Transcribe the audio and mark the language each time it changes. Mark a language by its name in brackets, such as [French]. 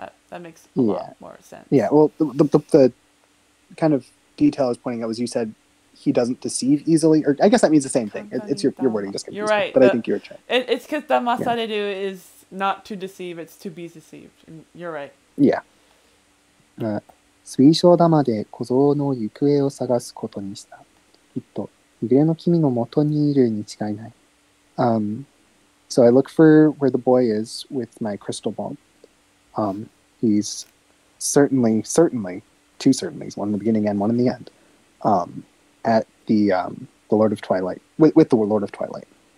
[English] That makes a lot more sense. Yeah. Well, the kind of detail I was pointing out was you said he doesn't deceive easily, or I guess that means the same thing. It's your wording just. You're right, but I think you're right. It's because the masareru is not to deceive; it's to be deceived. And you're right. Yeah. [Japanese] 水晶玉で小僧の行方を探すことにした。きっと、いぐれの君の元にいるに違いない。 [English] So I look for where the boy is with my crystal ball. He's certainly, two certainlies, one in the beginning and one in the end. At the Lord of Twilight, with the Lord of Twilight.